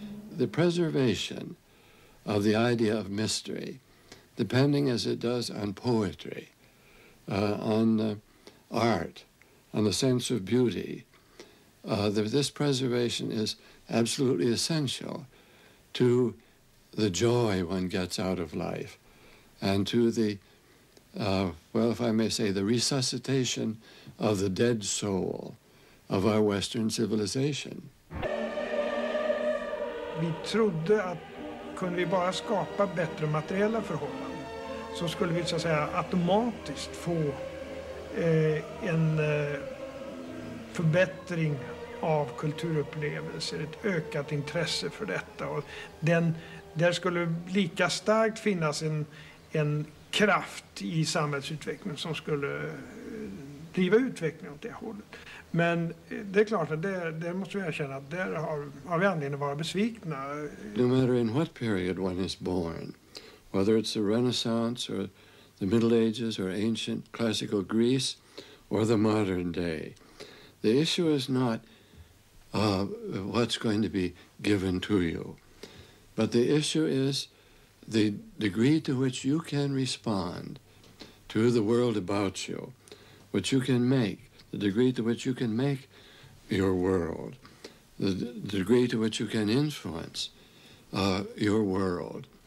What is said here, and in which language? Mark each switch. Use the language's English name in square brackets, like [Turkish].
[English] the preservation of the idea of mystery, depending as it does on poetry, on art, on the sense of beauty, that this preservation is absolutely essential to the joy one gets out of life and to the, well, if I may say, the resuscitation of the dead soul of our Western civilization. [Swedish] Vi trodde att kunde vi bara skapa bättre materiella förhållanden så skulle vi så att säga automatiskt få en förbättring av kulturupplevelser, ett ökat intresse för detta. Och den, där skulle lika starkt finnas en kraft i samhällsutvecklingen som skulle driva utvecklingen åt det hållet. Men det är klart att det måste vi erkänna att där har vi anledning att vara besvikna. [English] No matter in what period one is born, whether it's the Renaissance or the Middle Ages or ancient classical Greece or the modern day, the issue is not what's going to be given to you, but the issue is the degree to which you can respond to the world about you, which you can make, the degree to which you can make your world, the degree to which you can influence your world.